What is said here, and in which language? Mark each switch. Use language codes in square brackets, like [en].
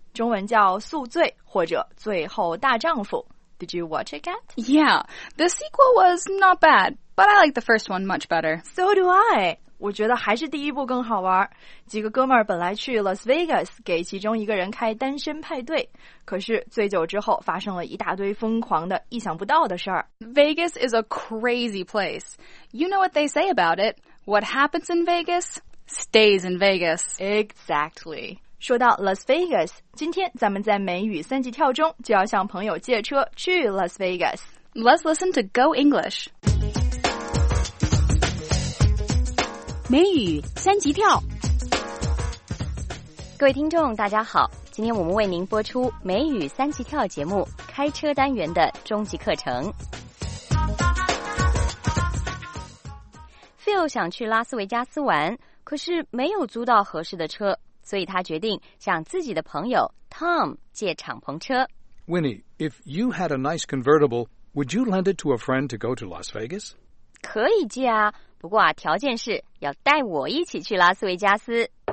[zh] 中文叫宿醉或者最后大丈夫。 [en] Did you watch it yet? Yeah, the sequel was not bad, but I like the first one much better. So do I. [zh] 我觉得还是第一部更好玩。几个哥们儿本来去 Las Vegas 给其中一个人开单身派对，可是醉酒之后发生了一大堆疯狂的意想不到的事儿。 [en] Vegas is a crazy place. You know what they say about it. What happens in Vegas, stays in Vegas. Exactly. [zh] 说到 Las Vegas, 今天咱们在美语三级跳中就要向朋友借车去 Las Vegas. [en] Let's listen to Go English. [zh] 美语三级跳。各位听众大家好，今天我们为您播出美语三级跳节目开车单元的终极课程。 Phil 想去拉斯维加斯玩，可是没有租到合适的车，所以他决定向自己的朋友 Tom 借敞篷车。 [en] Winnie, if you had a nice convertible, would you lend it to a friend to go to Las Vegas? [zh] 可以借啊，不过啊，条件是要带我一起去拉斯维加斯。